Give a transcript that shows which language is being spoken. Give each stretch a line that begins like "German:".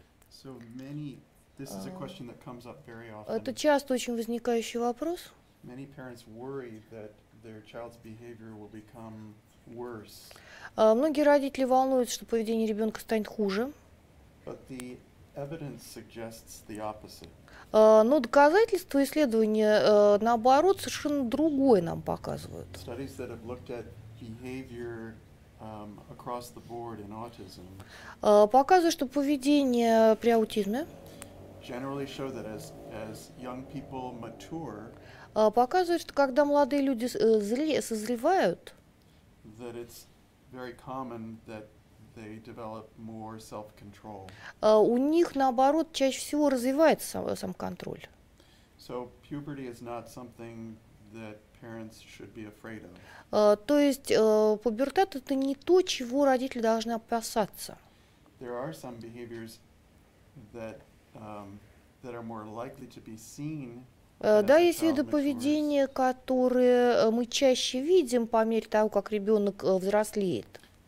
English: So many this is a question that comes up very often.
Russian: Это часто очень возникающий вопрос.
English: Many parents worry that their child's behavior will become worse.
Russian: Многие родители волнуются, что поведение ребенка станет хуже.
English: Evidence suggests the opposite.
Russian: Но доказательства исследования, наоборот, совершенно другое нам показывают.
English: Studies that have looked at behavior across the board in autism
Russian: показывают, что поведение при аутизме
English: generally show that as young people mature
Russian: показывают, что когда молодые люди созревают,
English: that it's very common that they develop more self-control.
Russian: У них, наоборот, чаще всего развивается сам контроль.
English: So puberty is not something that parents should be afraid of.
Russian: То есть пубертат – это не то, чего родители должны опасаться.
English: There are some behaviors that that are more likely to be seen.
Russian: Да, есть виды поведения, которые мы чаще видим по мере того, как ребенок взрослеет.